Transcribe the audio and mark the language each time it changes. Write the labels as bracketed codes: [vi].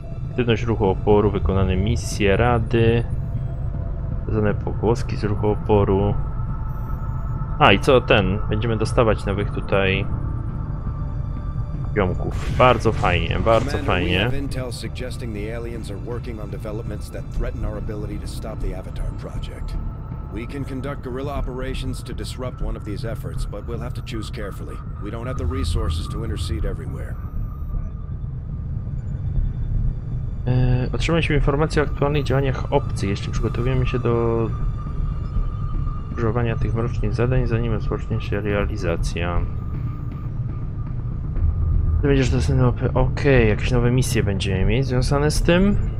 [pl] Aktywność ruchu oporu, wykonane misje, rady. Zadane pogłoski z ruchu oporu. A, i co ten? Będziemy dostawać nowych tutaj ziomków. Bardzo fajnie, bardzo fajnie. [en] Intel suggesting the aliens are working on developments that threaten our ability to stop the Avatar project. We can conduct guerrilla operations to disrupt one of these efforts, but we'll have to choose carefully. We don't have the resources to intercede everywhere. [pl] Otrzymaliśmy informację o aktualnych działaniach obcy. Jeśli przygotowujemy się do używania tych mrocznych zadań, zanim rozpocznie się realizacja. Ty będziesz dostępny. Okej, jakieś nowe misje będziemy mieć związane z tym.